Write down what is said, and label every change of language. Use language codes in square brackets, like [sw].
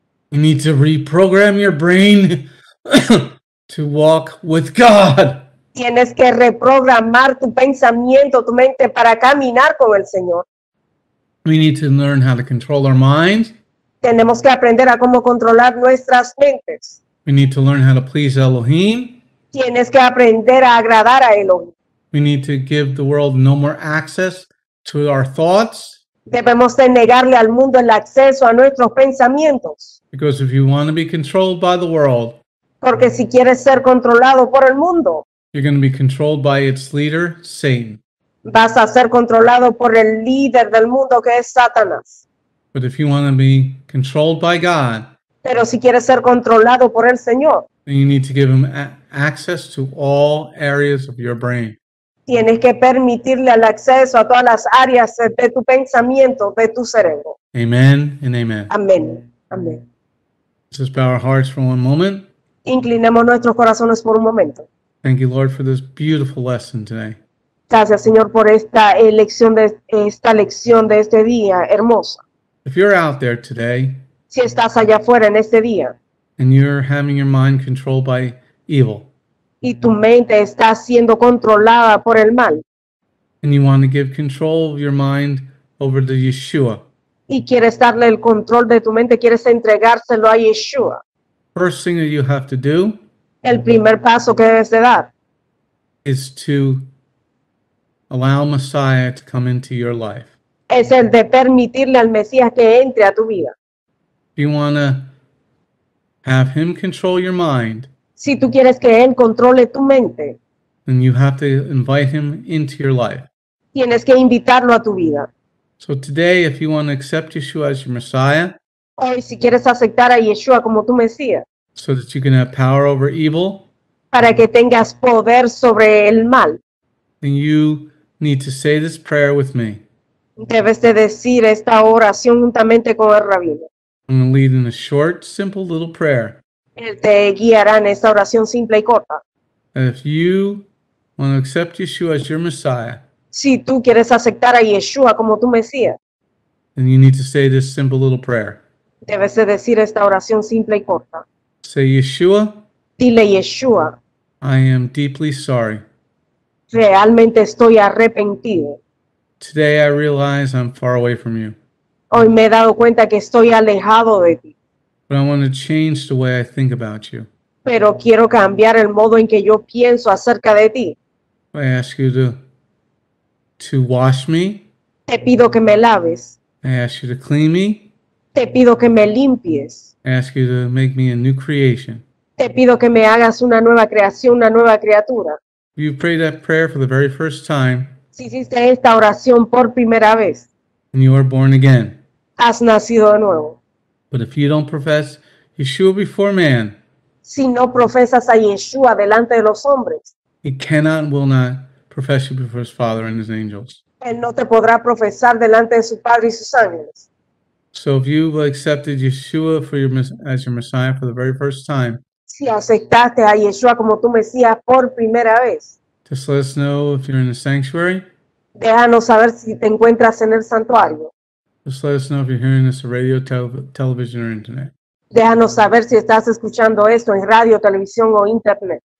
[en] You need to reprogram your brain to walk with God. [es] Tienes que reprogramar tu pensamiento, tu mente, para caminar con el Señor. [en] We need to learn how to control our minds. [es] Tenemos que aprender a cómo controlar nuestras mentes. [en] We need to learn how to please Elohim. [es] Tienes que aprender a agradar a Elohim. [en] We need to give the world no more access to our thoughts. [es] Debemos de negarle al mundo el acceso a nuestros pensamientos. [en] Because if you want to be controlled by the world, [es] porque si quieres ser controlado por el mundo, [en] you're going to be controlled by its leader, Satan. [es] Vas a ser controlado por el líder del mundo, que es Satanás. [en] But if you want to be controlled by God, [es] pero si quieres ser controlado por el Señor, [en] then you need to give him access to all areas of your brain. [es] Tienes que permitirle el acceso a todas las áreas de tu pensamiento, de tu cerebro. [en] Amen and amen. [es] Amén. Amén. [en] Let's bow our hearts for one moment. [es] Inclinemos nuestros corazones por un momento. [en] Thank you, Lord, for this beautiful lesson today. [es] Gracias, Señor, por esta lección de este día hermosa. [en] If you're out there today, [es] si estás allá afuera en este día, [en] and you're having your mind controlled by evil, [es] y tu mente está siendo controlada por el mal, [en] and you want to give control of your mind over to Yeshua, [es] y quieres darle el control de tu mente, quieres entregárselo a Yeshua, [en] first thing that you have to do, [es] el primer paso que debes de dar, [en] is to allow Messiah to come into your life. [es] Es el de permitirle al Mesías que entre a tu vida. [en] If you want to have him control your mind, [es] si tú quieres que él controle tu mente, [en] then you have to invite him into your life. [es] Tienes que invitarlo a tu vida. [en] So today, if you want to accept Yeshua as your Messiah, [es] hoy si quieres aceptar a Yeshua como tu Mesías, [en] so that you can have power over evil, [es] para que tengas poder sobre el mal, [en] then you need to say this prayer with me. [es] Debes de decir esta oración juntamente con el rabino. [en] I'm going to lead in a short, simple little prayer. [es] Él te guiará en esta oración simple y corta. [en] And if you want to accept Yeshua as your Messiah, [es] si tú quieres aceptar a Yeshua como tu Mesías, [en] then you need to say this simple little prayer. [es] Debes de decir esta oración simple y corta. [en] Say, Yeshua, [es] dile, Yeshua, [en] I am deeply sorry. [es] Realmente estoy arrepentido. [en] Today I realize I'm far away from you. [es] Hoy me he dado cuenta que estoy alejado de ti. [en] But I want to change the way I think about you. [es] Pero quiero cambiar el modo en que yo pienso acerca de ti. [en] I ask you to wash me. [es] Te pido que me laves. [en] I ask you to clean me. [es] Te pido que me limpies. [en] I ask you to make me a new creation. [es] Te pido que me hagas una nueva creación, una nueva criatura. [en] You pray that prayer for the very first time. [es] Si hiciste esta oración por primera vez, [en] and you are born again, [es] has nacido de nuevo. [en] But if you don't profess Yeshua before man, [es] si no profesas a Yeshua delante de los hombres, [en] he cannot and will not profess you before his Father and his angels. [es] Él no te podrá profesar delante de su Padre y sus ángeles. [en] So if you accepted Yeshua as your Messiah for the very first time, [es] si aceptaste a Yeshua como tu Mesías por primera vez, [en] just let us know if you're in the sanctuary. [es] Déjanos saber si te encuentras en el santuario. [en] Just let us know if you're hearing this on radio, television, or internet. [es] Déjanos saber si estás escuchando esto en radio, televisión o internet.